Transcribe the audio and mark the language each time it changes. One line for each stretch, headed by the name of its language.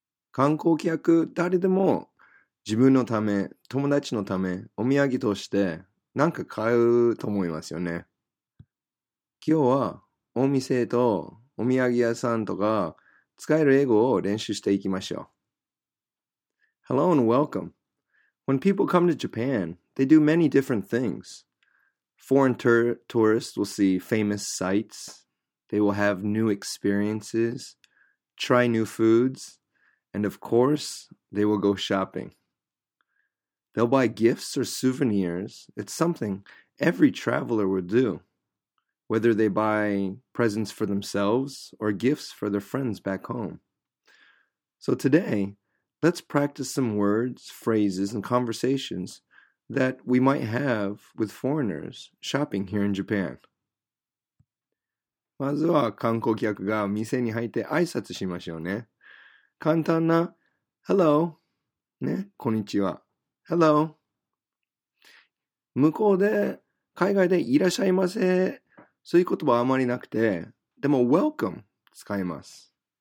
Japanese: 観光客、誰でも自分のため、友達のため、お土産としてなんか買うと思いますよね。今日は、お店とお土産屋さんとか使える英語を練習していきましょう。
English: Hello and welcome. When people come to Japan, they do many different things. Foreign tourists will see famous sights. They will have new experiences, try new foods, and of course, they will go shopping. They'll buy gifts or souvenirs. It's something every traveler would do. Whether they buy presents for themselves or gifts for their friends back home. So today, let's practice some words, phrases, and conversations that we might have with foreigners shopping here in Japan.
Japanese: まずは観光客が店に入って挨拶しましょうね。簡単な Hello! ね、こんにちは。Hello! 向こうで、海外でいらっしゃいませ。そういう言葉はあまりなくて、でも welcome 使います。